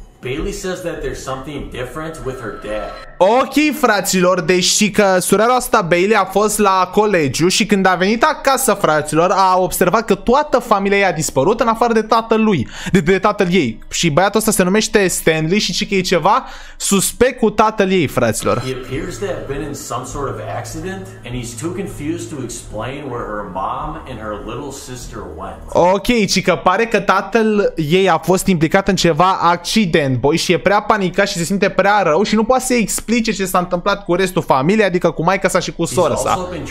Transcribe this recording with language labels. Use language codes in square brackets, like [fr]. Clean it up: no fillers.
[en] Bailey says that there's something different with her dad. [ro] Ok, fraților, deși că surera asta Bailey a fost la colegiu și când a venit acasă, fraților, a observat că toată familia i-a dispărut în afară de tatălui, de tatăl ei. Și băiatul ăsta se numește Stanley și zice că e ceva suspect cu tatăl ei, fraților. [en] He appears to have been in some sort of accident and he's too confused to explain where her mom and her little sister went. [ro] Ok, ci că pare că tatăl ei a fost implicat în ceva accident, boy, și e prea panicat și se simte prea rău și nu poate să explice ce s-a întâmplat cu restul familiei, adică cu maica sa și cu sora sa.